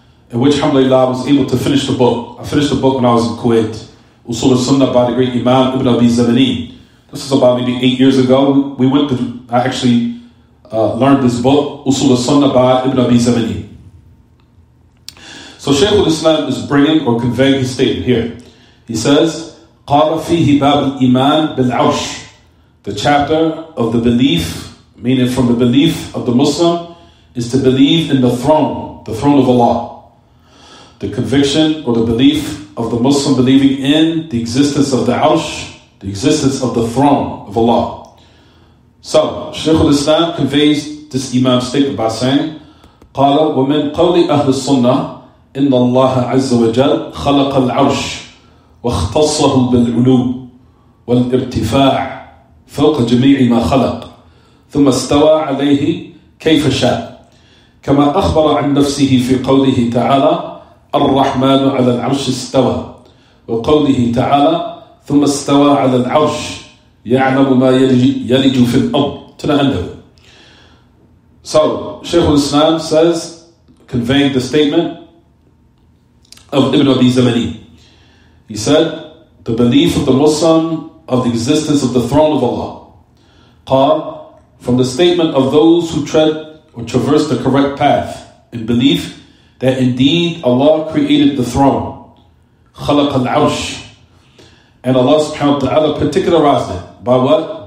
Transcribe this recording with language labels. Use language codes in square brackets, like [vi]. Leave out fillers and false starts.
[en] In which, alhamdulillah, I was able to finish the book. I finished the book when I was in Kuwait. Usul al-Sunnah by the great Imam Ibn Abi Zamani. This was about maybe 8 years ago. We went to, I actually learned this book, Usul al-Sunnah by Ibn Abi Zamani. So Shaykh al-Islam is bringing or conveying his statement here. He says, [ar] قَالَ فِيهِ بَابِ الْإِيمَانِ بِالْعَوْشِ. [en] The chapter of the belief, meaning from the belief of the Muslim, is to believe in the throne of Allah. The conviction or the belief of the Muslim believing in the existence of the Arsh, the existence of the throne of Allah. So, Shaykh al-Islam conveys this Imam statement by saying, [ar] قَالَ وَمِنْ قَوْلِ أَهْلِ السُّنَّةِ إِنَّ اللَّهَ عَزَّ وَجَلْ خَلَقَ الْعَرْشِ وَاخْتَصَّهُ بِالْعُلُوِّ وَالْإِرْتِفَاعِ فَوْقَ جَمِيعِ مَا خَلَقَ ثُمَّ اسْتَوَى عَلَيْهِ كَيْفَ شَاءَ كَمَا أَخْبَرَ عَنْ نَفْسِهِ فِي قَوْلِهِ تَعَالَى الرحمن على العرش استوى وقوله تعالى ثم استوى على العرش يعلم ما يلج في الأرض تنهنده. [en] So Shaykh al-Islam says, conveying the statement of Ibn Abi Zamani, he said, the belief of the Muslim of the existence of the throne of Allah. قال, from the statement of those who tread or traverse the correct path in belief that indeed Allah created the throne, [ar] خلق العرش, [en] and Allah subhanahu wa ta'ala particularized it by what?